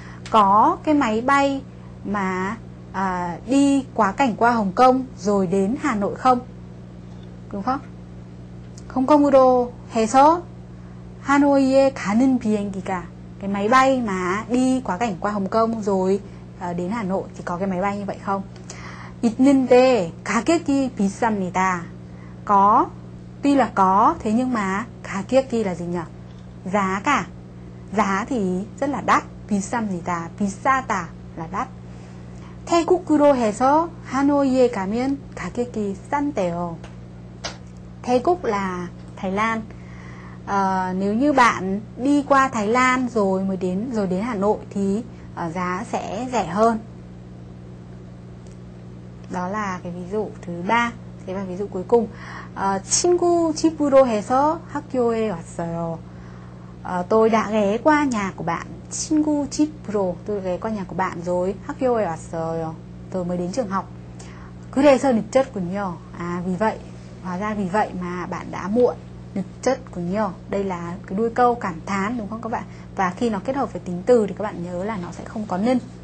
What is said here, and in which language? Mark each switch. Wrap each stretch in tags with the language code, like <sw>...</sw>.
<vi>Có cái máy bay mà đi quá cảnh qua Hồng Kông rồi đến Hà Nội không? Đúng không? Hồng Kông đô hè số Hà Nội khả nên phiêngki cả. Cái máy bay mà đi quá cảnh qua Hồng Kông rồi đến Hà Nội thì có cái máy bay như vậy không?</vi> <ko>있는데 가격이 비쌉니다.</ko> <vi>Có, tuy là có, thế nhưng mà 가격이 là gì nhỉ? Giá cả. Giá thì rất là đắt. 비쌉니다. 비싸다 là đắt.</vi> <ko>태국으로 해서 하노이에 가면 가격이 싼데요.</ko> <vi>태국 là Thái Lan. Nếu như bạn đi qua Thái Lan rồi mới đến Hà Nội thì giá sẽ rẻ hơn. Đó là cái ví dụ thứ ba. Thế và ví dụ cuối cùng.</vi> <ko>친구 집으로 해서 학교에 왔어요.</ko> <vi>Tôi đã ghé qua nhà của bạn.</vi> <ko>친구 집으로.</ko> <vi>Tôi ghé qua nhà của bạn rồi.</vi> <ko>학교에 왔어요.</ko> <vi>Tôi mới đến trường học.</vi> <ko>그래서 늦었군요.</ko> <vi>À vì vậy. Hóa ra vì vậy mà bạn đã muộn.</vi> <ko>늦었군요.</ko> <vi>Đây là cái đuôi câu cảm thán đúng không các bạn? Và khi nó kết hợp với tính từ thì các bạn nhớ là nó sẽ không có 는.</vi>